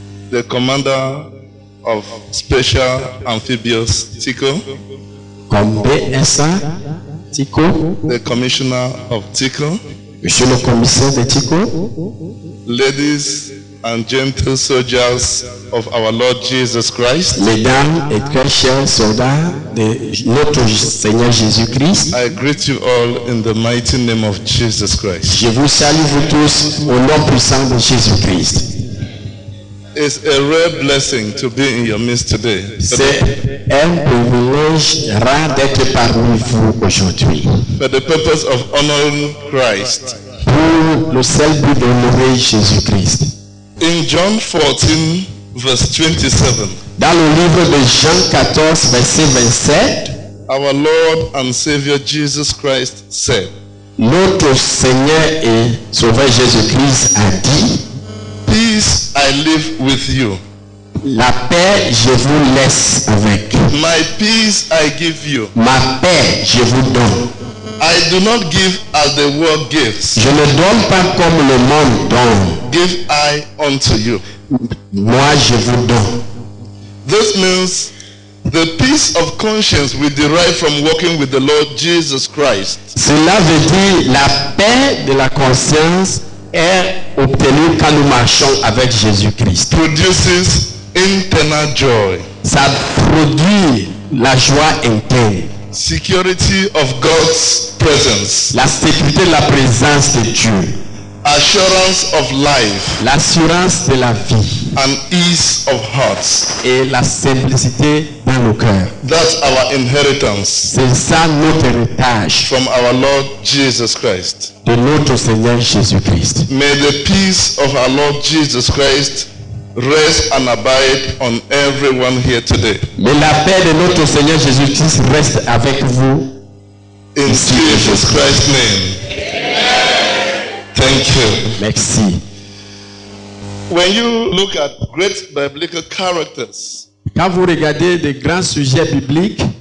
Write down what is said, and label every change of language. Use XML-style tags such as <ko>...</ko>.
<en>the commander of Special Amphibious Tiko, the commissioner of Tiko,</en> <fr>Monsieur le commissaire de Tiko,</fr> <en>ladies and gentle soldiers of our Lord Jesus Christ,</en> <fr>mesdames et très chers soldats de notre Seigneur Jésus Christ,</fr> <en>I greet you all in the mighty name of Jesus Christ.</en> <fr>Je vous salue vous tous au nom puissant de Jésus Christ.</fr> <en>It's a rare blessing to be in your midst today.</en> <fr>C'est un privilège rare d'être parmi vous aujourd'hui.</fr> <en>For the purpose of honoring Christ.</en> <fr>Pour le seul but d'honorer Jésus-Christ.</fr> <en>In John 14, verse 27.</en> <fr>Dans le livre de Jean 14, verset 27.</fr> <en>Our Lord and Savior Jesus Christ said.</en> <fr>Notre Seigneur et Sauveur Jésus-Christ a dit.</fr> <en>Peace I leave with you.</en> <fr>La paix je vous laisse avec.</fr> <en>My peace I give you.</en> <fr>Ma paix je vous donne.</fr> <en>I do not give as the world gives.</en> <fr>Je ne donne pas comme le monde donne.</fr> <en>Give I unto you.</en> <fr>Moi je vous donne.</fr> <en>This means the peace of conscience we derive from walking with the Lord Jesus Christ.</en> <fr>Cela veut dire la paix de la conscience est obtenue quand nous marchons avec Jésus-Christ.</fr> <en>Produces internal joy.</en> <fr>Ça produit la joie interne.</fr> <en>Security of God's presence.</en> <fr>La sécurité de la présence de Dieu.</fr> <en>Assurance of life.</en> <fr>L'assurance de la vie.</fr> <en>And ease of heart.</en> <fr>Et la simplicité dans le cœur.</fr> <en>That's our inheritance.</en> <fr>C'est ça notre héritage.</fr> <en>From our Lord Jesus Christ.</en> <fr>De notre Seigneur Jésus Christ.</fr> <en>May the peace of our Lord Jesus Christ rest and abide on everyone here today.</en> <fr>Mais la paix de notre Seigneur Jésus Christ reste avec vous.</fr> <en>In Jesus Christ's name. Thank you.</en> <fr>Merci.</fr> <en>When you look at great biblical characters,</en> <fr>quand vous regardez des grands sujets bibliques,</fr>